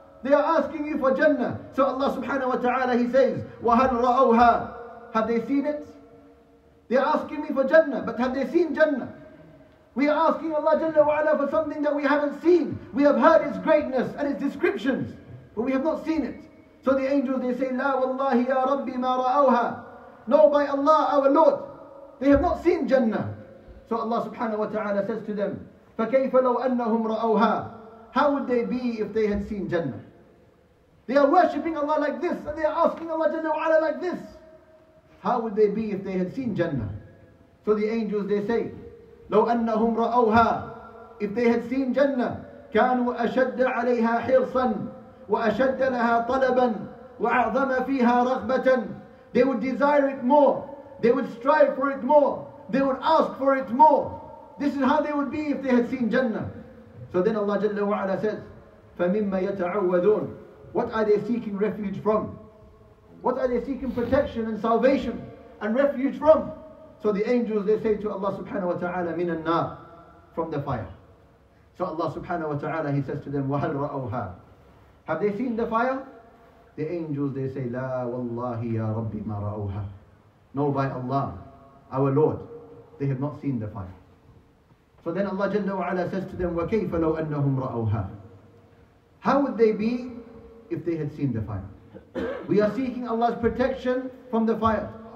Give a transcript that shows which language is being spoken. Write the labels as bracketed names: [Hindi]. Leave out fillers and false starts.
[English] They are asking you for Jannah. So Allah subhanahu wa ta'ala, he says, [Arabic] وَهَلْ رَأَوْهَا. [English] Have they seen it? They are asking me for Jannah, but have they seen Jannah? We are asking Allah Jalla wa Ala for something that we haven't seen. We have heard its greatness and its descriptions, but we have not seen it. So the angels, they say, [Arabic] لا والله يا ربي ما رأوها. [English] No, by Allah, our Lord, they have not seen Jannah. So Allah subhanahu wa ta'ala says to them, [Arabic] فكيف لو أنهم رأوها. [English] How would they be if they had seen Jannah? They are worshipping Allah like this, and they are asking Allah Jalla wa Ala like this. How would they be if they had seen Jannah? So the angels, they say, [Arabic] لو أنهم رأوها. [English] If they had seen Jannah, [Arabic] كانوا أشد عليها حرصا وأشد لها طلبا وأعظم فيها رغبة. [English] They would desire it more. They would strive for it more. They would ask for it more. This is how they would be if they had seen Jannah. So then Allah Jalla wa Ala says, [Arabic] فَمِمَّ يَتَعَوَّذُونَ. [English] What are they seeking refuge from? What are they seeking protection and salvation and refuge from? So the angels, they say to Allah subhanahu wa ta'ala, [Arabic] مِنَ النَّارِ. [English] From the fire. So Allah subhanahu wa ta'ala, he says to them, [Arabic] وَهَلْ رَأَوْهَا. [English] Have they seen the fire? The angels, they say, [Arabic] لَا وَاللَّهِ يَا رَبِّ مَا رَأَوْهَا. [English] No, by Allah, our Lord, they have not seen the fire. So then Allah Jalla wa Ala says to them, [Arabic] وَكَيْفَ لَوْ أَنَّهُمْ رَأَوْهَا. [English] How would they be if they had seen the fire? We are seeking Allah's protection from the fire.